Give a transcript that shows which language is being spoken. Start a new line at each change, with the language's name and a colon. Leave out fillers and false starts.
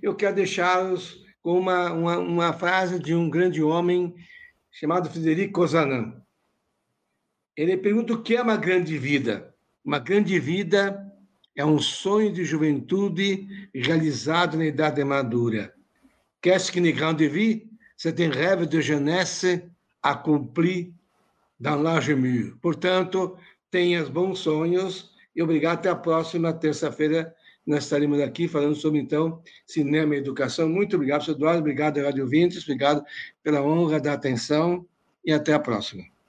Portuguese: Eu quero deixá-los com uma frase de um grande homem chamado Frederico Ozanam. Ele pergunta o que é uma grande vida. Uma grande vida é um sonho de juventude realizado na idade madura.
French: Qu'est-ce qu'une grande vie? C'est un rêve de jeunesse accompli dans l'âge mûr.
Portuguese: Portanto, tenha bons sonhos. E obrigado, até a próxima terça-feira. Nós estaremos aqui falando sobre, então, cinema e educação. Muito obrigado, professor Eduardo. Obrigado, Rádio Ouvintes. Obrigado pela honra da atenção. E até a próxima.